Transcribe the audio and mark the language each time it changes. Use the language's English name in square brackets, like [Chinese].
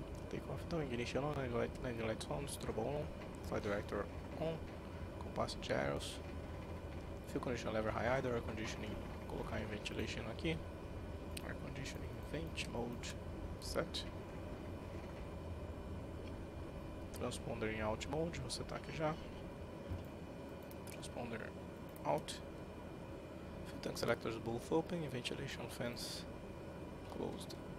[English] Take off doing initial on, engine lights on, strobe on, flight director on, compass and gyros, fuel condition lever high idle, air conditioning, [Portuguese] colocar em [English] ventilation [Portuguese] aqui, [English] air conditioning vent mode set. [Portuguese] Transponder em [English] out mode, [Portuguese] você tá aqui já. [English] Transponder out. Fuel tank selectors both open, ventilation fans closed.